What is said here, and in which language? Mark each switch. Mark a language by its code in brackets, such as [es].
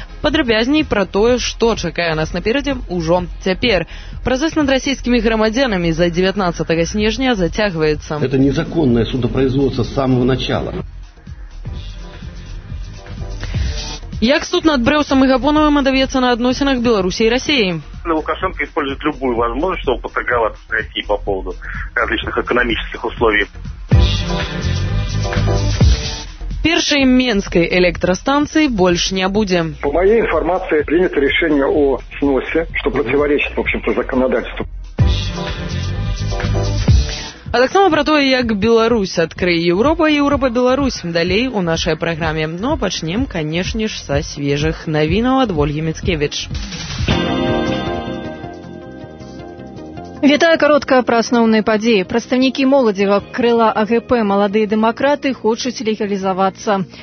[be] Падрабязней пра тое, што чакае нас наперадзе ўжо цяпер. Працэс над расійскімі грамадзянамі за 19 снежня зацягваецца. Гэта незаконнае судапроизводства з самага начала. Як суд над Брэусам і Габоновым адаб'ецца на адносінах Беларусі і Расіі? [ru] Лукашенко использует любую возможность, чтобы поторговаться с Россией по поводу различных экономических условий. [be] Першай менскай электрастанцыі больш не будзе. [ru] По моей информации, принято решение о сносе, что противоречит, в общем-то, законодательству. [be] А таксама пра тое, як Беларусь адкрые Еўропа і Еўропа-Беларусь далей у нашай праграме. Ну, пачнем, канешне ж, са свежых навінаў ад Вольгі Міцкевіч. Вітаю коротка пра асноўныя падзеі. Прадстаўнікі моладзевага крыла АГП «Маладыя дэмакраты» хочуць легалізавацца.